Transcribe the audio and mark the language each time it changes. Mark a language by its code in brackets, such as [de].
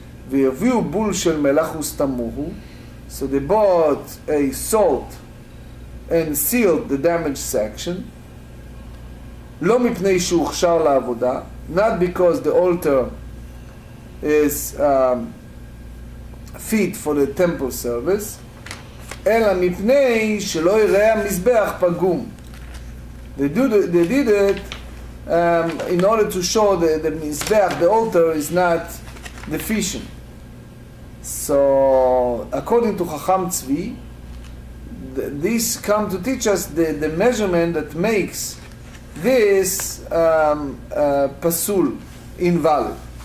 [he] ויביאו בול של מלח וסתמוהו. [en] So they bought a salt and sealed the damaged section. [he] לא מפני שהוכשר לעבודה, [en] not because the altar is fit for the temple service, [he] אלא מפני שלא יראה המזבח פגום. [en] They did it in order to show the מזבח, the altar is not deficient. So, according to Chacham Tzvi, this comes to teach us the measurement that makes this pasul invalid.